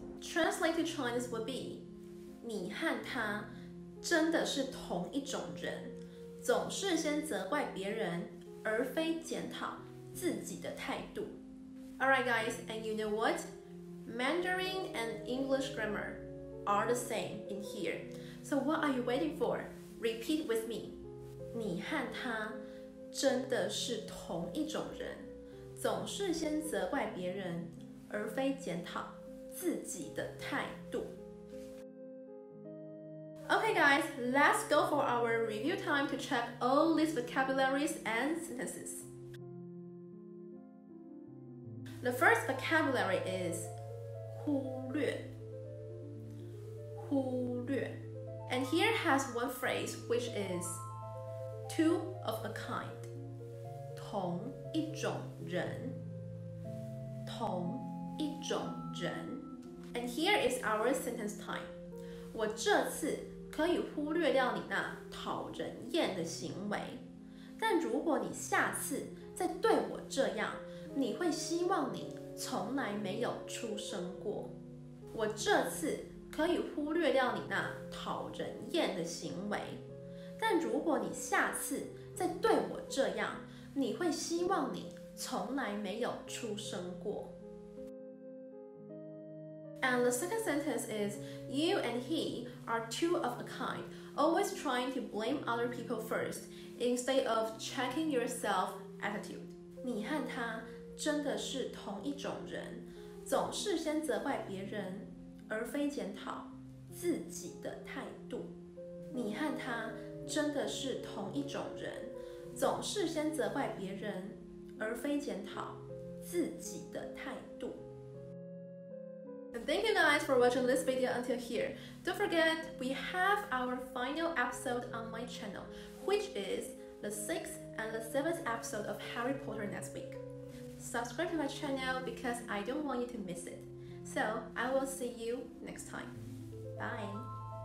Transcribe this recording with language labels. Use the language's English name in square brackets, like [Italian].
[English] Translated to Chinese would be [Chinese] 你和他真的是同一种人，总是先责怪别人而非检讨自己的态度。 [English] Alright guys, and you know what? Mandarin and English grammar are the same in here. So what are you waiting for? Repeat with me. [Chinese] 你和他真的是同一种人，总是先责怪别人而非检讨自己的态度。 [English] Okay guys, let's go for our review time to check all these vocabularies and sentences. The first vocabulary is 忽略忽略 And here has one phrase which is two of a kind, 同一种人同一种人 And here is our sentence time. [Chinese] 我这次可以忽略掉你那讨人厌的行为，但如果你下次再对我这样，你会希望你从来没有出生过。我这次可以忽略掉你那讨人厌的行为，但如果你下次再对我这样，你会希望你从来没有出生过。 [English] And the second sentence is, you and he are two of a kind, always trying to blame other people first instead of checking yourself attitude. [Chinese] 你和他真的是同一种人，总是先责怪别人而非检讨自己的态度。你和他真的是同一种人，总是先责怪别人而非检讨自己的态度。 [English] And thank you guys for watching this video until here. Don't forget, we have our final episode on my channel, which is the 6th and the 7th episode of Harry Potter next week. subscribe to my channel because I don't want you to miss it. So, I will see you next time. Bye!